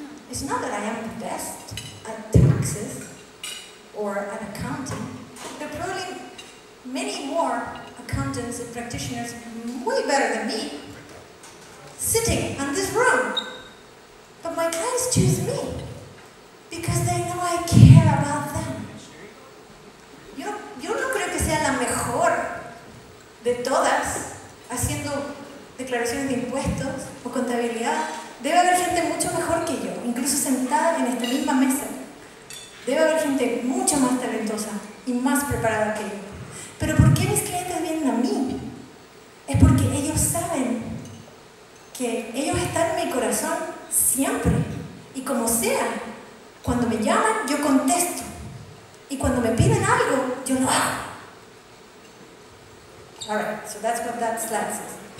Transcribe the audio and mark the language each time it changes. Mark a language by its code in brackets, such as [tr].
[en] It's not that I am the best at taxes or at accounting. There are probably many more accountants and practitioners way better than me sitting in this room. But my clients choose me because they know I care about them. [es] Yo no creo que sea la mejor de todas haciendo declaraciones de impuestos o contabilidad. Debe haber gente mucho mejor que yo, incluso sentada en esta misma mesa. Debe haber gente mucho más talentosa y más preparada que yo. Pero ¿por qué mis clientes vienen a mí? Es porque ellos saben que ellos están en mi corazón siempre. Y como sea, cuando me llaman, yo contesto. Y cuando me piden algo, yo lo hago. [en] All right, so that's what that slide says.